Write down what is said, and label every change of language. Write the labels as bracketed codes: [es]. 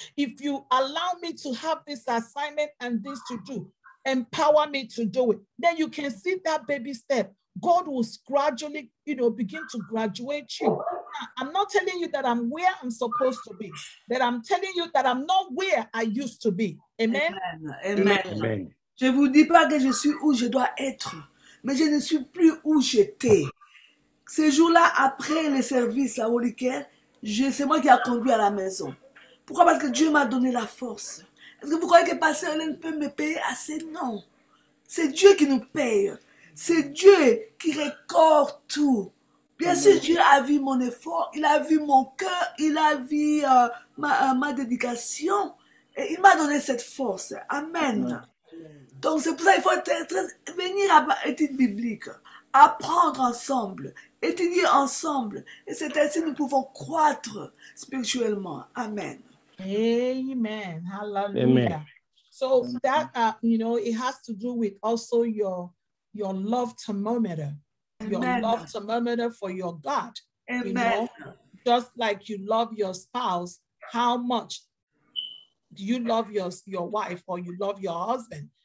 [en] If you allow me to have this assignment and this to do, empower me to do it. Then you can see that baby step. God will gradually, you know, begin to graduate you. I'm not telling you that I'm where I'm supposed to be, but I'm telling you that I'm not where I used to be. Amen? Amen. Amen. [fr] Je vous dis pas que je suis où je dois être, mais je ne suis plus où j'étais. Ce jour-là, après le service à WHOLICARE, c'est moi qui a conduit à la maison. Pourquoi? Parce que Dieu m'a donné la force. Est-ce que vous croyez que Pasteur Hélène peut me payer assez? Non. C'est Dieu qui nous paye. C'est Dieu qui récolte tout. Bien sûr, Dieu a vu mon effort, il a vu mon cœur, il a vu ma dédication. Et il m'a donné cette force. Amen. Amen. Donc, c'est pour ça qu'il faut venir à l'étude biblique. Apprendre ensemble, étudier ensemble, et c'est ainsi que nous pouvons croître spirituellement. Amen. Amen. Hallelujah. Amen. [en] So that you know, it has to do with also your love thermometer, your Amen. Love thermometer for your God. Amen. You know, just like you love your spouse, how much do you love your wife, or you love your husband?